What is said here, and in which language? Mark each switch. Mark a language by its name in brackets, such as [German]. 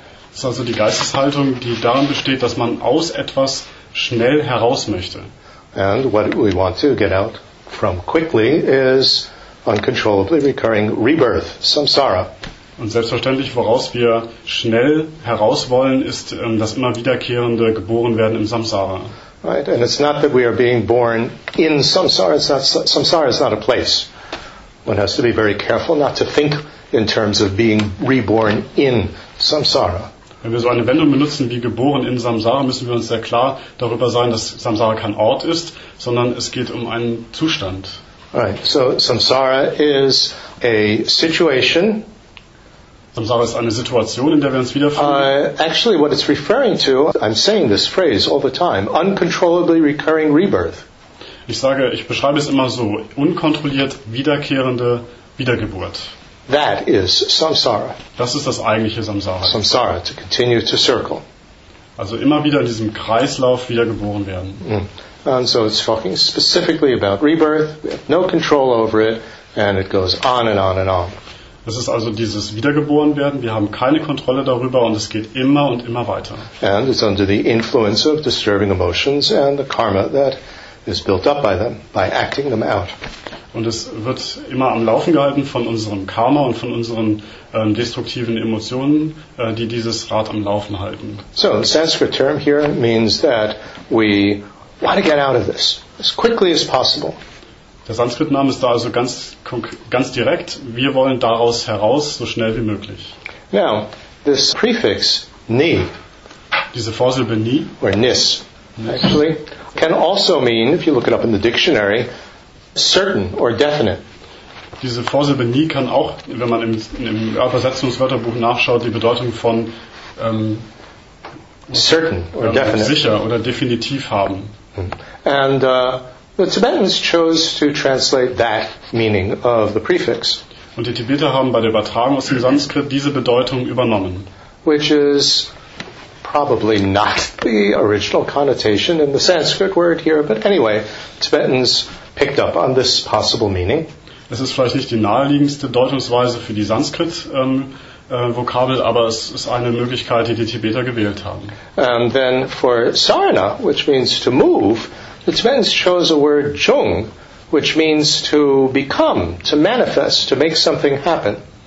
[German] Das ist also die Geisteshaltung, die darin besteht, dass man aus etwas schnell heraus möchte. [English] And what we want to get out from quickly is uncontrollably recurring rebirth, samsara. [German] Und selbstverständlich, woraus wir schnell heraus wollen, ist das immer wiederkehrende Geborenwerden im Samsara. [English] Right, and it's not that we are being born in samsara. Samsara is not a place. One has to be very careful not to think in terms of being reborn in samsara. [German] Wenn wir so eine Wendung benutzen wie geboren in Samsara, müssen wir uns sehr klar darüber sein, dass Samsara kein Ort ist, sondern es geht um einen Zustand. [English] Right. So samsara is a situation. [German] Samsara ist eine Situation, in der wir uns wiederfinden. [English] Actually what it's referring to, I'm saying this phrase all the time, uncontrollably recurring rebirth. [German] Ich beschreibe es immer so, unkontrolliert wiederkehrende Wiedergeburt. [English] That is samsara. [German] Das ist das eigentliche Samsara. [English] Samsara, to continue to circle. [German] Also immer wieder in diesem Kreislauf wiedergeboren werden. [English] And so it's talking specifically about rebirth. We have no control over it, and it goes on and on and on. [German] Das ist also dieses Wiedergeborenwerden. Wir haben keine Kontrolle darüber, und es geht immer und immer weiter. [English] And it's under the influence of disturbing emotions and the karma that is built up by them, by acting them out. [German] Und es wird immer am Laufen gehalten von unserem Karma und von unseren destruktiven Emotionen, die dieses Rad am Laufen halten. [English] So, the Sanskrit term here means that we want to get out of this as quickly as possible. [German] Der Sanskrit-Name ist da also ganz direkt. Wir wollen daraus heraus, so schnell wie möglich. [English] Now, this prefix, ni, [German] diese Vorsilbe ni, [English] or nis, actually, can also mean, if you look it up in the dictionary, certain or definite. [German] Diese Vorsilbe nie kann auch, wenn man im Übersetzungswörterbuch nachschaut, die Bedeutung von [English] certain or definite, [German] sicher oder definitiv haben. [English] And the Tibetans chose to translate that meaning of the prefix. [German] Und die Tibeter haben bei der Übertragung aus dem Sanskrit diese Bedeutung übernommen. [English] Which is probably not the original connotation in the Sanskrit word here, but anyway, Tibetans picked up on this possible meaning. [German] Es ist vielleicht nicht die naheliegendste Deutungsweise für die Sanskrit Vokabel, aber es ist eine Möglichkeit, die die Tibeter gewählt haben. [English] And then for sarana, which means to move, the Tibetans chose a word jung, which means to become, to manifest, to make something happen.